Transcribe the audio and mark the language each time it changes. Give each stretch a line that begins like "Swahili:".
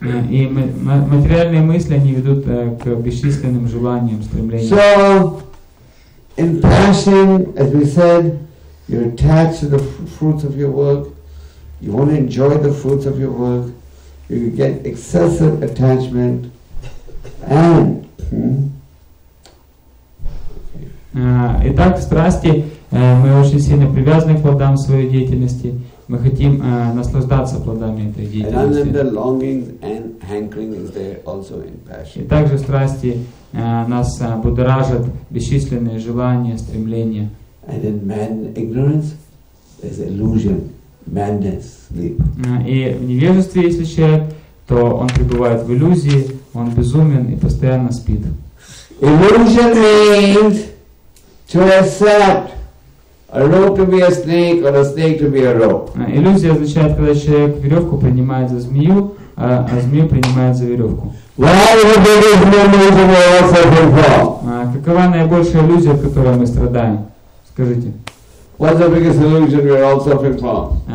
Russian: И материальные мысли они ведут к бесчисленным желаниям, стремлениям.
English: So, in passion, as we said, you're attached to the fruits of your work. You want to enjoy the fruits of your work. You get excessive attachment, and.
Russian: Итак, в страсти мы очень сильно привязаны к плодам своей деятельности. Мы хотим наслаждаться плодами этой деятельности. И также страсти нас будоражат бесчисленные желания, стремления.
English: And in man, ignorance, there's illusion, madness, sleep.
Russian: И в невежестве, если человек, то он пребывает в иллюзии, он безумен и постоянно спит.
English: Illusion means to accept. A rope to be a snake, or a snake to be a rope.
Russian: Иллюзия означает, когда человек веревку принимает за змею, а змею принимает за веревку. Какова наибольшая иллюзия, от которой мы страдаем? Скажите.
English: What's the biggest illusion we're all suffering from?